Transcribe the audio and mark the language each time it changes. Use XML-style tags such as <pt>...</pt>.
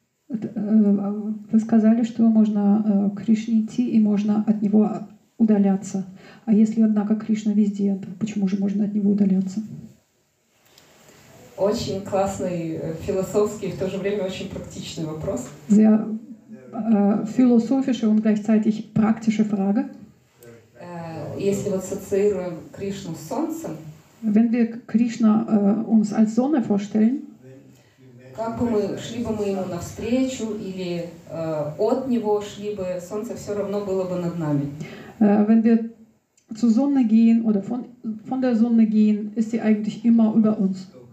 <ru>Вы сказали, что можно к Кришне идти и можно от него удаляться. А если, однако, Кришна везде, то почему же можно от него удаляться? Очень классный философский и в то же время очень практичный вопрос.</ru> <de>Sehr philosophische und gleichzeitig praktische Frage.</de> <ru>Если вот ассоциируем Кришну с Солнцем,</ru> <de>wenn wir Кришна uns als Sonne vorstellen,</de> <ru>как мы шли бы мы ему навстречу или от него шли бы, солнце все равно было бы над нами.</ru> <de>Wenn wir zur Sonne gehen oder von der Sonne gehen, ist sie eigentlich immer über uns.</de>